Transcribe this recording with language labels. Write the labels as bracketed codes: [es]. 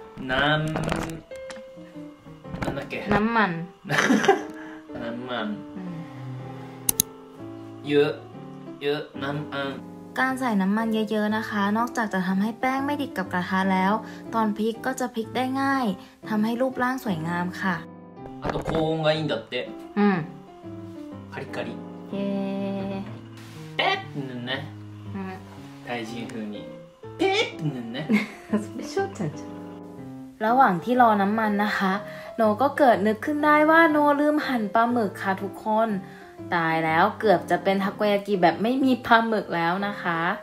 [th] น้ำ น้ำมัน น้ำมันเยอะเยอะน้ำมัน การใส่น้ำมันเยอะๆนะคะนอกจากจะทำให้แป้งไม่ติดกับกระทะแล้วตอนพลิกก็จะพลิกได้ง่ายทำให้รูปร่างสวยงามค่ะ [ja] あと高温がいいんだって。うん。カリカリ。へえ。ペップ塗んね。うん。タイ人風に。ペップ塗んね。それショちゃんじゃん。 [th] ระหว่างที่รอน้ำมันนะคะโนก็เกิดนึกขึ้นได้ว่าโนลืมหั่นปลาหมึกค่ะทุกคนตายแล้วเกือบจะเป็นทาโกยากิแบบไม่มีปลาหมึกแล้วนะคะ